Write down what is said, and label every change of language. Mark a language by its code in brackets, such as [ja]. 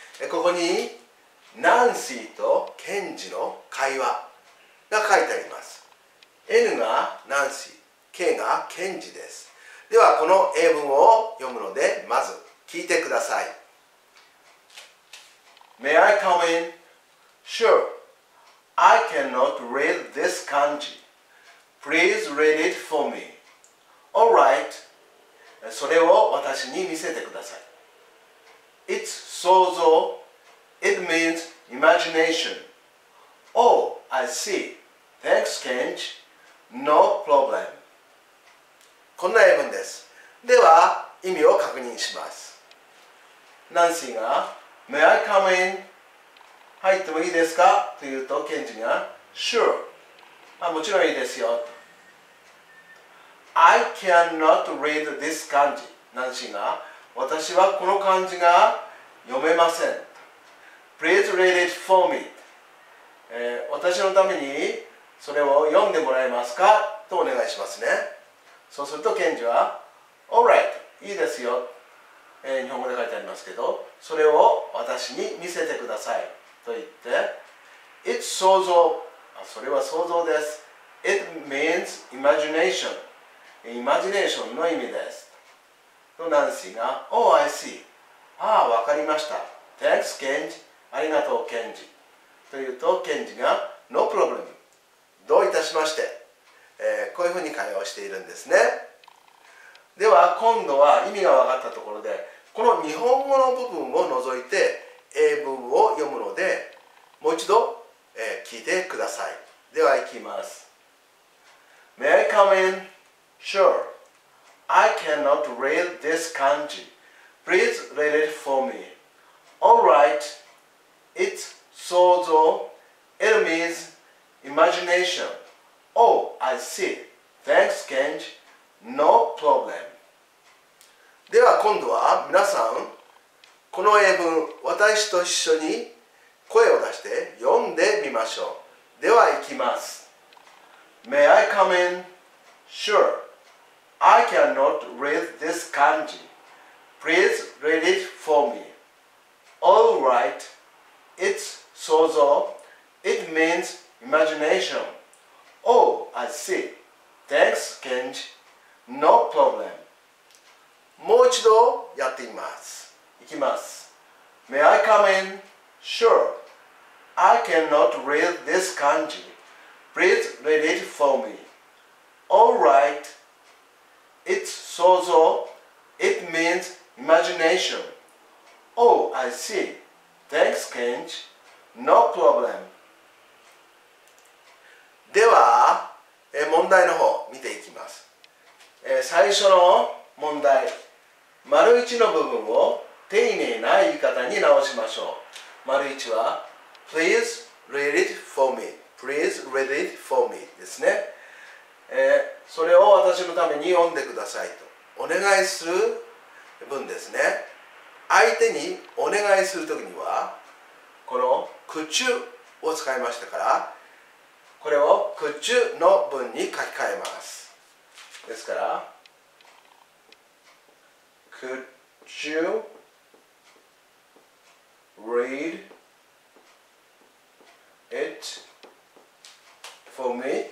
[ja] ここにナンシーとケンジの会話が書いてあります。 N がナンシー、 K がケンジです。ではこの英文を読むのでまず聞いてください。 [en] May I come in? Sure, I cannot read this kanji. Please read it for me. All right. [ja] それを私に見せてください。 [en] It's sozo. It means imagination. Oh, I see. Thanks, Kenji. No problem. [ja] こんな英文です。では、意味を確認します。ナンシーが、 [en] May I come in? [ja] 入ってもいいですかと言うと、ケンジが Sure、 あ、もちろんいいですよ。 [en] I cannot read this 漢字。 [ja] ナンシーが、私はこの漢字が読めません。 [en] Please read it for me、 [ja] 私のためにそれを読んでもらえますかとお願いしますね。そうするとケンジは [en] All right、 [ja] いいですよ、日本語で書いてありますけど、それを私に見せてくださいと言って、It's 想像。それは想像です。 [en] It means imagination。 [ja] イマジネーションの意味です。とナンシーが、 [en] Oh, I see。 [ja] ああ、わかりました。 [en] Thanks, Kenji。 [ja] ありがとう、Kenji。と言うと、Kenji が、 [en] No problem。 [ja] どういたしまして、こういうふうに会話をしているんですね。では、今度は意味がわかったところで、この日本語の部分を除いて、英文を読むので、もう一度、聞いてください。では、行きます。 [en] May I come in? Sure. I cannot read this kanji. Please read it for me. Alright. It's sozo. It means imagination. Oh, I see. Thanks, Kenji. No problem. [ja] では、今度は皆さん、この英文、私と一緒に声を出して読んでみましょう。では、行きます。 [en] May I come in? Sure. I cannot read this kanji. Please read it for me. All right. It's sozo. It means imagination. Oh, I see. Thanks, Kenji. No problem. [ja] もう一度やってみます。いきます。 [en] May I come in? Sure. I cannot read this kanji. Please read it for me. All right. It's sozo. It means imagination. Oh, I see. Thanks, Kenji. No problem. [ja] では、問題の方見ていきます。最初の問題、丸一の部分を丁寧な言い方に直しましょう。丸一は [en] Please read it for me. Please read it for me [ja] ですね、それを私のために読んでくださいとお願いする文ですね。相手にお願いするときにはこの could you を使いましたから、これを could you の文に書き換えます。ですから [en] could youRead it for me.